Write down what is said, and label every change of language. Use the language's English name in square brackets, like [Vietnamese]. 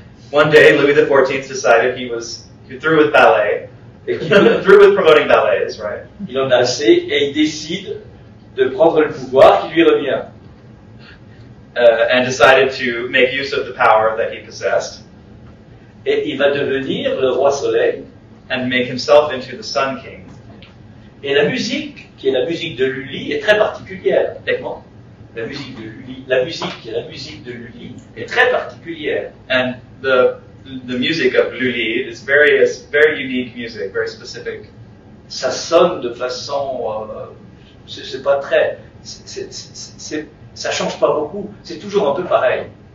[English] One day Louis XIV decided he was through with ballet. Through with promoting ballets, right? [French] Il en a assez et il décide de prendre le pouvoir qui lui revient. [English] And decided to make use of the power that he possessed. [French] Et il va devenir le roi soleil. [English] And make himself into the sun king. [French] Et la musique, qui est la musique de Lully, est très particulière. Exactement. La musique de Lully est très particulière. [English] And the music of Lully is various, very unique music, very specific. [French] Ça sonne de façon, c'est pas très, c'est, ça change pas beaucoup, c'est toujours un peu pareil.